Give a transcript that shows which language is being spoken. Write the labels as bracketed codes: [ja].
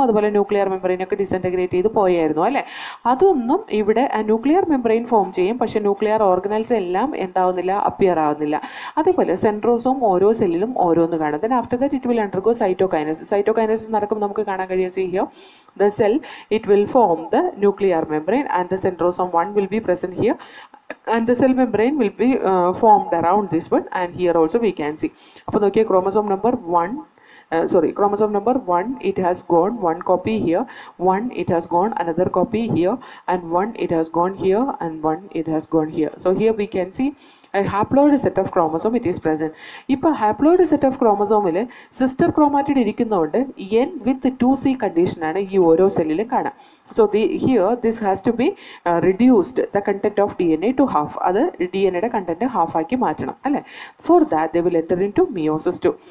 [ml] അതുപോലെ nuclear മെംബ്രെയിനൊക്കെ disintegrate ചെയ്ത് പോയായിരുന്നു അല്ലേ. അതൊന്നും ഇവിടെ ന്യൂക്ലിയർ മെംബ്രെയിൻ ഫോം ചെയ്യും, പക്ഷെ ന്യൂക്ലിയർ ഓർഗനൽസ് എല്ലാം എന്താവുന്നില്ല, അപ്പിയർ ആവുന്നില്ല. അതേപോലെ സെൻട്രോസോം ഓരോ സെല്ലിലും ഓരോന്ന് കാണും. [en] Then after that it will undergo cytokinesis. [ml] Cytokinesis നടക്കുമ്പോൾ നമുക്ക് കാണാൻ കഴിയും, [en] See here the cell it will form the nuclear membrane and the centrosome 1 will be present here. And the cell membrane will be formed around this one, and here also we can see. [ml] Appo nokke [en] chromosome number 1 chromosome number 1 it has gone one copy here, 1 it has gone another copy here, and 1 it has gone here, and 1 it has gone here. So here we can see haploid set of chromosome it is present. [ml] ഇപ്പോൾ haploid set of ക്രോമസോമിൽ sister chromatid ഇരിക്കുന്നതുകൊണ്ട് N with to C കണ്ടീഷനാണ് ഈ ഓരോ സെല്ലിലും കാണാം. [en] So the here this has to be reduced the content of D N A to half. [ml] അത് D N എയുടെ content ഹാഫാക്കി മാറ്റണം അല്ലേ. [en] For that they will enter into meiosis two.